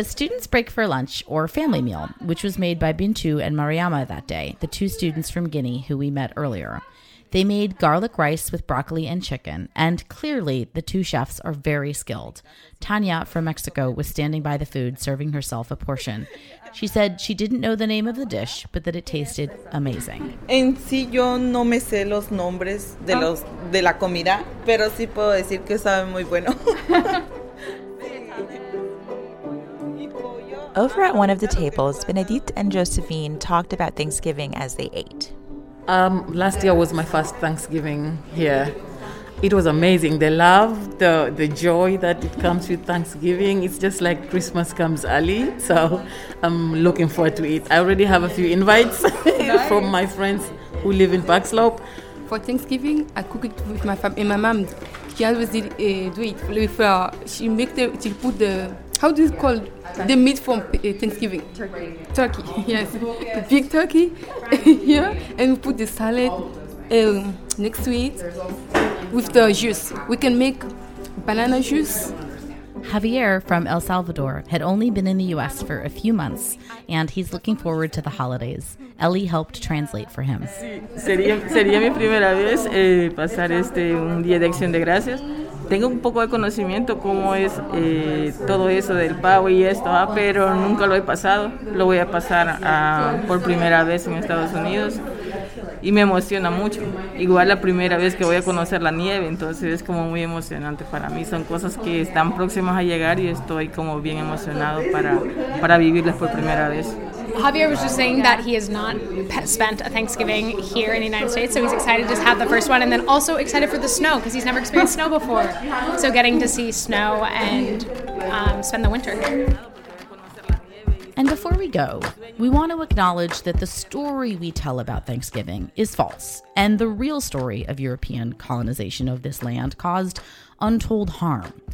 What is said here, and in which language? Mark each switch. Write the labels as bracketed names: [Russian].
[English] The students break for lunch, or family meal, which was made by Bintou and Mariama that day, the two students from Guinea who we met earlier. They made garlic rice with broccoli and chicken, and clearly the two chefs are very skilled. Tanya from Mexico was standing by the food, serving herself a portion. She said she didn't know the name of the dish, but that it tasted amazing. [Spanish] En sí, yo no me sé los nombres de los de la comida, pero sí puedo decir que sabe muy bueno. [English] Over at one of the tables, Benedict and Josephine talked about Thanksgiving as they ate. Last year was my first Thanksgiving here. It was amazing. The love, the joy that it comes with Thanksgiving. It's just like Christmas comes early. So I'm looking forward to it. I already have a few invites from my friends who live in Park Slope. For Thanksgiving, I cook it with my family. My mom, she always did do it. With, she make the, she put the, how do you call it? The meat from Thanksgiving. Turkey. Turkey, yes. The big turkey. Yeah. And we put the salad next to it with the juice. We can make banana juice. Javier from El Salvador had only been in the U.S. for a few months, and he's looking forward to the holidays. Ellie helped translate for him. [Spanish] Sería mi primera vez pasar este un día de Acción de Gracias. Tengo un poco de conocimiento cómo es todo eso del pavo y esto, pero nunca lo he pasado. Lo voy a pasar por primera vez en Estados Unidos y me emociona mucho. Igual la primera vez que voy a conocer la nieve, entonces es como muy emocionante para mí. Son cosas que están próximas a llegar y estoy como bien emocionado para vivirlas por primera vez. [English] Javier was just saying that he has not spent a Thanksgiving here in the United States, so he's excited to just have the first one, and then also excited for the snow, because he's never experienced snow before. So getting to see snow and spend the winter here. And before we go, we want to acknowledge that the story we tell about Thanksgiving is false, and the real story of European colonization of this land caused untold harm.